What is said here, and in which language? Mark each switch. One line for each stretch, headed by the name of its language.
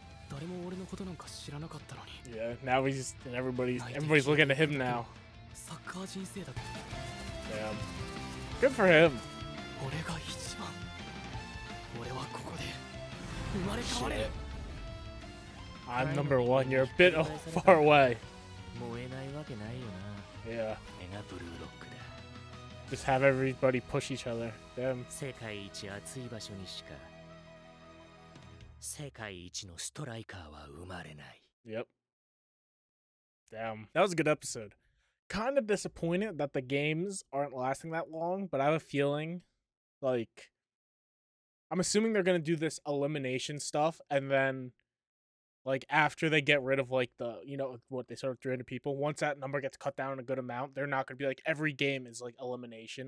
Japanese: 誰も俺のことなんか知らなかったのに。
English: Yeah, now he's just, and everybody's looking at him now.
Japanese: サッカー人生だって。
English: Damn. Good for him.
Japanese: 俺が一番。俺はここで生まれ変われる。
English: Shit. I'm number one. You're a bit far away.
Japanese: 燃えないわけないよな。
English: Yeah.
Japanese: 俺がブルーロックだ。
English: Just have everybody push each other. Damn.
Japanese: 世界一熱い場所にしか。世界一のストライカーは生まれない。
English: Yep. Damn. That was a good episode. Kind of disappointed that the games aren't lasting that long, but I have a feeling, like, I'm assuming they're going to do this elimination stuff, and then, like, after they get rid of, like, the, you know, what, they start with 300 people, once that number gets cut down a good amount, they're not going to be, like, every game is, like, elimination.